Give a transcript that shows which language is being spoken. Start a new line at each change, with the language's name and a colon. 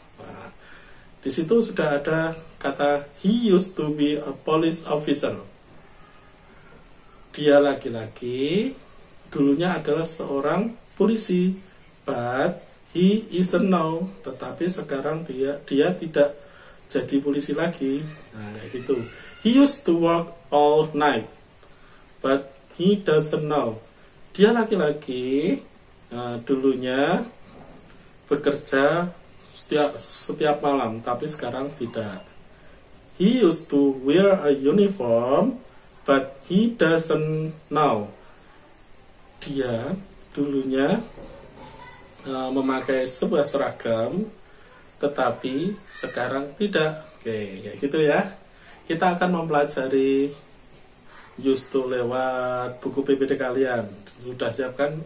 Indonesian: Nah, di situ sudah ada kata
English: he used to be a police officer.
Indonesian: Dia laki-laki, dulunya adalah seorang polisi,
English: but he isn't now.
Indonesian: Tetapi sekarang dia tidak jadi polisi lagi. Nah, gitu.
English: He used to work all night, but he doesn't now.
Indonesian: Dia laki-laki, dulunya bekerja setiap malam, tapi sekarang tidak.
English: He used to wear a uniform, but he doesn't now.
Indonesian: Dia dulunya memakai sebuah seragam, tetapi sekarang tidak. Oke, kayak gitu ya. Kita akan mempelajari used to lewat buku PPT kalian. Sudah siapkan?